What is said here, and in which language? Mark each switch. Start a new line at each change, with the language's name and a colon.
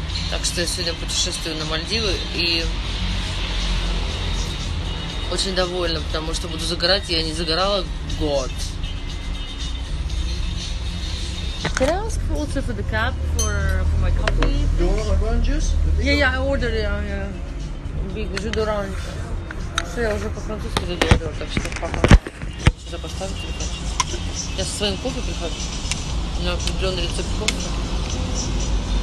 Russian: Так что я сегодня путешествую на Мальдивы и очень довольна, потому что буду загорать. Я не загорала год.
English: Can I ask also for the cap for my coffee? Do you want orange juice? Yeah, I ordered it. Yeah. Big
French: jus d'orange.
Russian: Все, я уже по-французски заговорила, так что пока. Сюда поставить или как? Я со своим кофе прихожу. У меня определенный рецепт кофе.